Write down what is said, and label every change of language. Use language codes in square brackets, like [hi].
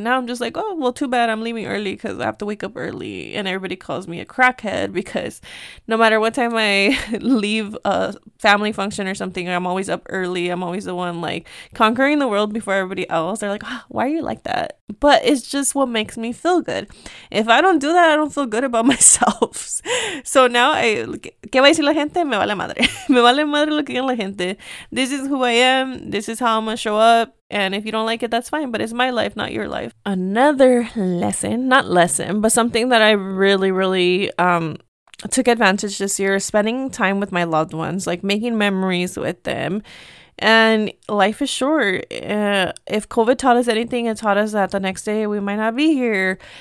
[en] Now I'm just like, oh well, too bad I'm leaving early because I have to wake up early, and everybody calls me a crackhead because no matter what time I leave a family function or something, I'm always up early. I'm always the one like conquering the world before everybody else. They're like, oh, why are you like that? But it's just what makes me feel good. If I don't do that, I don't feel good about myself. So now I, [es] que va a decir la gente, me vale madre lo que diga la gente. [en] This is who I am. This is how I'm gonna show up. And if you don't like it, that's fine. But it's my life, not your life. Another lesson, not lesson, but something that I really, really took advantage this year, spending time with my loved ones, like making memories with them. And life is short. If COVID taught us anything, it taught us that the next day we might not be here.